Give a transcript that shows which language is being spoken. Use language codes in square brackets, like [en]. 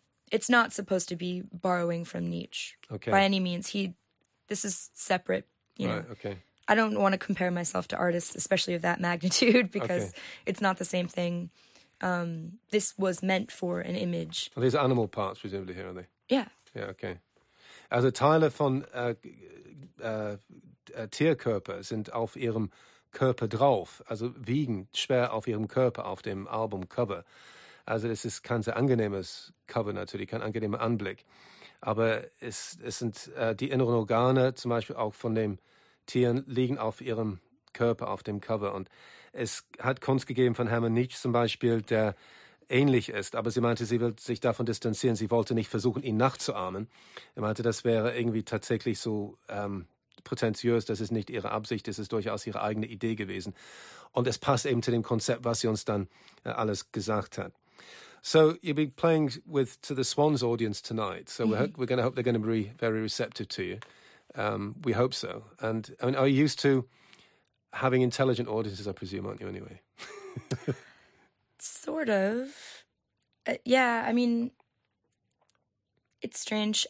[en] It's not supposed to be borrowing from Nietzsche. Okay. By any means. This is separate, you right, know. Okay. I don't want to compare myself to artists, especially of that magnitude, because okay. it's not the same thing. This was meant for an image. Well, these are animal parts, presumably, here, are they? Yeah. Yeah, okay. [de] Also Teile von Tierkörper sind auf ihrem Körper drauf, also wiegen schwer auf ihrem Körper auf dem Albumcover. Also es ist kein sehr angenehmes Cover natürlich, kein angenehmer Anblick. Aber es sind die inneren Organe, zum Beispiel auch von dem Tieren liegen auf ihrem Körper, auf dem Cover. Und es hat Kunst gegeben von Hermann Nietzsche zum Beispiel, der ähnlich ist. Aber sie meinte, sie will sich davon distanzieren. Sie wollte nicht versuchen, ihn nachzuahmen. Er meinte, das wäre irgendwie tatsächlich so prätentiös. Das ist nicht ihre Absicht. Das ist durchaus ihre eigene Idee gewesen. Und es passt eben zu dem Konzept, was sie uns dann alles gesagt hat. [en] So you'll be playing with to the Swans audience tonight. So mm-hmm. we're going to hope they're going to be very receptive to you. We hope so. And I mean, are you used to having intelligent audiences, I presume, aren't you anyway? Sort of. Yeah, I mean, it's strange.